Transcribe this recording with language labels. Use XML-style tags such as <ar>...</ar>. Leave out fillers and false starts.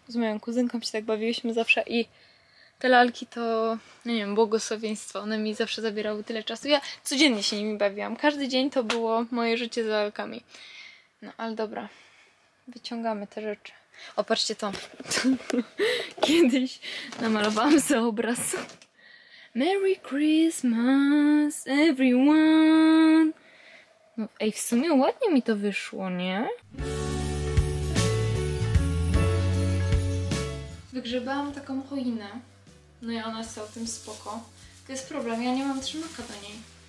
<pl>Z moją kuzynką się tak bawiłyśmy zawsze i te lalki to, nie wiem, błogosławieństwo. One mi zawsze zabierały tyle czasu. Ja codziennie się nimi bawiłam. Każdy dzień to było moje życie z lalkami. No, ale dobra. Wyciągamy te rzeczy. O, patrzcie to. Kiedyś namalowałam sobie obraz.</pl> <en>Merry Christmas, everyone.</en> <pl>No, ej, w sumie ładnie mi to wyszło, nie? Wygrzebałam taką choinę. No i ona jest o tym spoko. To jest problem, ja nie mam trzymaka do niej.</pl>